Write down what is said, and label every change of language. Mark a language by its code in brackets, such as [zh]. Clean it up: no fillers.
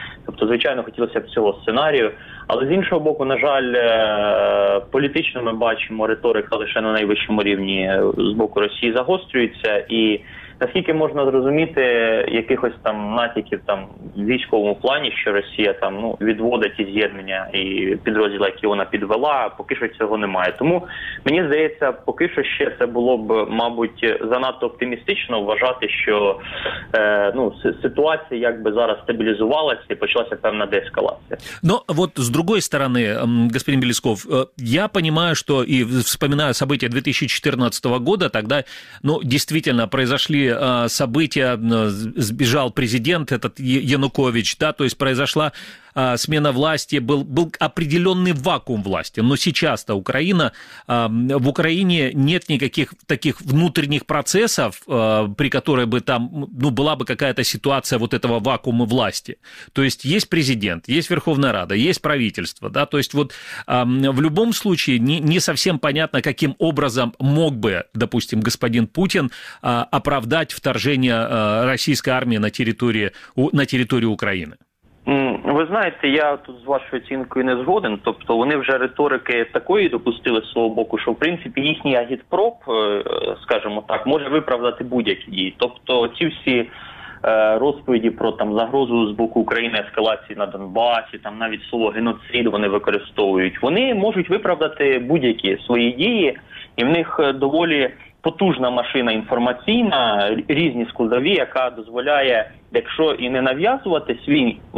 [uk] Тобто, звичайно, хотілося б цього сценарію. Але з іншого боку, на жаль, політично ми бачимо, риторика лише на найвищому рівні з боку Росії загострюється, і наскільки можна зрозуміти якихось там натяків там в військовому плані, що Росія там відводить і з'єднання і підрозділи, які вона підвела, поки що цього немає. Тому мені здається, поки що ще це було б, мабуть, занадто оптимістично вважати, що ситуація якби зараз стабілізувалася і почалася певна деескалація. Ну от з другої сторони, [ru] господин Белесков, [uk] я розумію, що [ru] і вспоминаю события 2014 [uk] року, тоді дійсно [ru] произошли события, сбежал президент этот Янукович, да, то есть произошла смена власти, был определенный вакуум власти, но сейчас-то Украина, в Украине нет никаких таких внутренних процессов, при которой бы там, была бы какая-то ситуация вот этого вакуума власти. То есть есть президент, есть Верховная Рада, есть правительство, да, то есть вот в любом случае не совсем понятно, каким образом мог бы, допустим, господин Путин оправдать вторжение российской армии на территорию Украины. [uk] Ви знаєте, я тут з вашою оцінкою не згоден, тобто вони вже риторики такої допустили з свого боку, що в принципі їхній агітпроп, скажімо так, може виправдати будь-які дії. Тобто ці всі розповіді про там загрозу з боку України ескалації на Донбасі, там навіть слово геноцид вони використовують, вони можуть виправдати будь-які свої дії, і в них доволі потужна машина інформаційна, різні складові, яка дозволяє, якщо і не нав'язувати свій